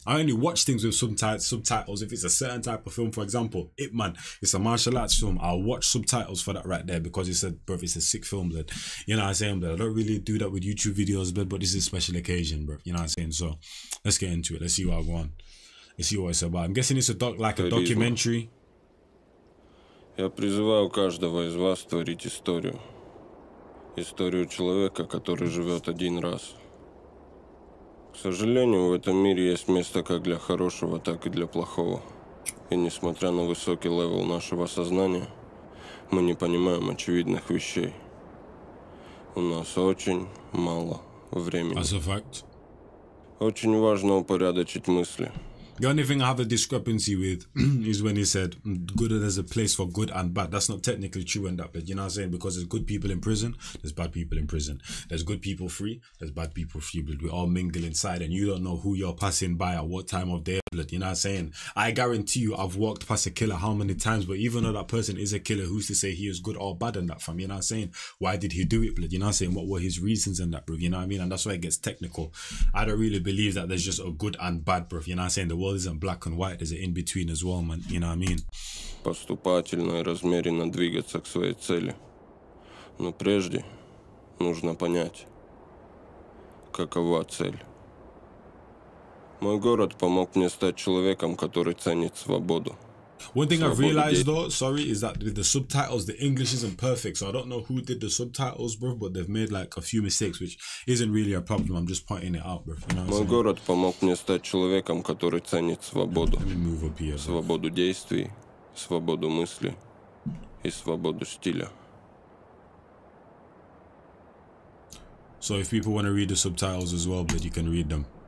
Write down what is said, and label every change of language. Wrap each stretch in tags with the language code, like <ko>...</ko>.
<en>I only watch things with subtitles if it's a certain type of film. For example, Ip Man, it's a martial arts film. I'll watch subtitles for that right there because it's a, bro, it's a sick film, blood. You know what I'm saying, blood? I don't really do that with YouTube videos, blood, but this is a special occasion, bro. You know what I'm saying? So let's get into it. Let's see what I want. Let's see what it's about. I'm guessing it's a documentary.</en> <ru>Я призываю каждого из вас творить историю. Историю человека, который живет один раз. К сожалению, в этом мире есть место как для хорошего, так и для плохого. И несмотря на высокий левел нашего сознания, мы не понимаем очевидных вещей. У нас очень мало времени.</ru> <en>As a fact.</en> <ru>Очень важно упорядочить мысли.</ru> <en>The only thing I have a discrepancy with is when he said good, there's a place for good and bad. That's not technically true in that, but you know what I'm saying? Because there's good people in prison, there's bad people in prison. There's good people free, there's bad people free. But we all mingle inside and you don't know who you're passing by at what time of day. You know what I'm saying? I guarantee you I've walked past a killer how many times, but even though that person is a killer, who's to say he is good or bad in that, fam? You know what I'm saying? Why did he do it, blood? You know what I'm saying? What were his reasons in that, bro? You know what I mean? And that's why it gets technical. I don't really believe that there's just a good and bad, bro. You know what I'm saying? The world isn't black and white, there's an in-between as well, man. You know what I mean?</en> <ru>Поступательно и размеренно двигаться к своей цели. Но прежде нужно понять, какова цель. Мой город помог мне стать человеком, который ценит свободу.</ru> <en>One thing I've realized though, sorry, is that the subtitles, the English isn't perfect. So I don't know who did the subtitles, bro, but they've made like a few mistakes, which isn't really a problem. I'm just pointing it out, bro. You know</en> <ru>мой город помог мне стать человеком, который ценит свободу.</ru> <en>Let me move up here,</en> <ru>свободу действий, свободу мысли и свободу стиля.</ru> <en>So if people want to read the subtitles as well, but you can read them.</en>